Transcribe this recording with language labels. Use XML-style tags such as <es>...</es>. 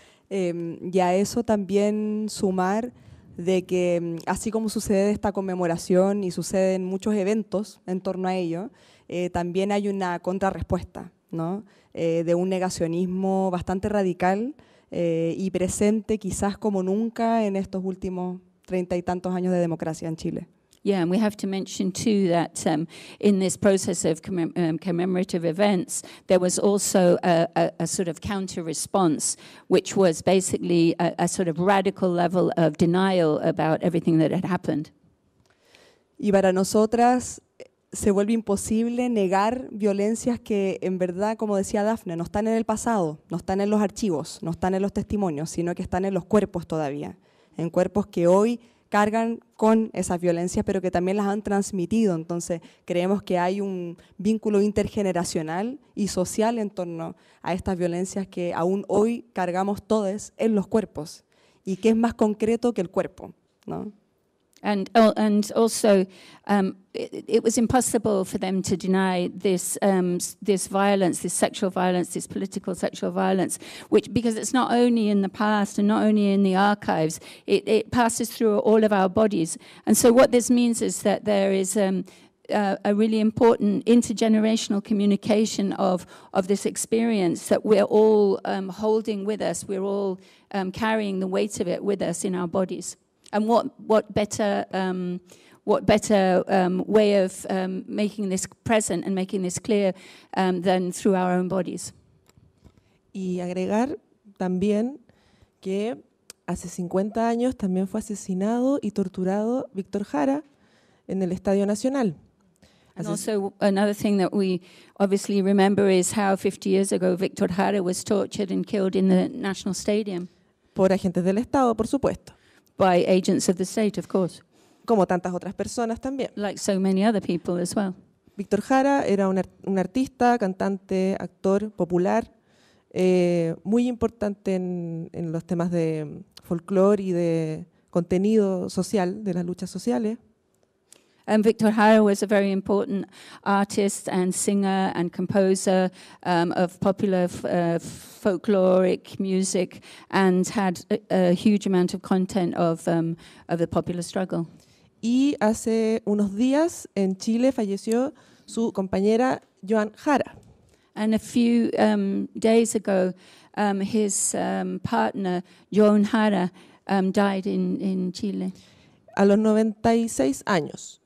<es>Y a eso también sumar de que así como sucede esta conmemoración y suceden muchos eventos en torno a ello, también hay una contrarrespuesta, ¿no? De un negacionismo bastante radical y presente quizás como nunca en estos últimos 30 y tantos años de democracia en Chile.</es> <en>Yeah, and we have to mention too that in this process of commemorative events, there was also a sort of counter response, which was basically a sort of radical level of denial about everything that had happened.</en> <es>Y para nosotras se vuelve imposible negar violencias que, en verdad, como decía Daffne, no están en el pasado, no están en los archivos, no están en los testimonios, sino que están en los cuerpos todavía, en cuerpos que hoy cargan con esas violencias, pero que también las han transmitido. Entonces, creemos que hay un vínculo intergeneracional y social en torno a estas violencias que aún hoy cargamos todos en los cuerpos. ¿Y qué es más concreto que el cuerpo, no?</es> <en>And also, it was impossible for them to deny this this violence, this sexual violence, this political sexual violence, which, because it's not only in the past and not only in the archives, it passes through all of our bodies. And so what this means is that there is a really important intergenerational communication of this experience that we're all holding with us. We're all carrying the weight of it with us in our bodies. And what better way of making this present and making this clear than through our own bodies?</en> <es>Y agregar también que hace 50 años también fue asesinado y torturado Víctor Jara en el Estadio Nacional.</es> <en>And also another thing that we obviously remember is how 50 years ago Víctor Jara was tortured and killed in the National Stadium.</en> <es>Por agentes del Estado, por supuesto.</es> <en>By agents of the state, of course.</en> <es>Como tantas otras personas también.</es> <en>Like so many other people as well.</en> <es>Víctor Jara era un artista, cantante, actor popular, muy importante en los temas de folclore y de contenido social, de las luchas sociales.</es> <en>And Víctor Jara was a very important artist and singer and composer of popular folkloric music and had a huge amount of content of the popular struggle.</en> <es>Y hace unos días en Chile falleció su compañera Joan Jara.</es> <en>And a few days ago his partner Joan Jara died in Chile.</en> <es>A los 96 años.</es>